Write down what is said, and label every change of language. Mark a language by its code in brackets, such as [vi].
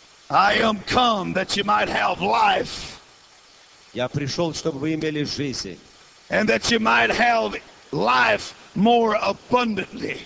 [en] I am come that you might have life. [ru] Я пришел, чтобы вы имели жизнь. [en] And that you might have life more abundantly.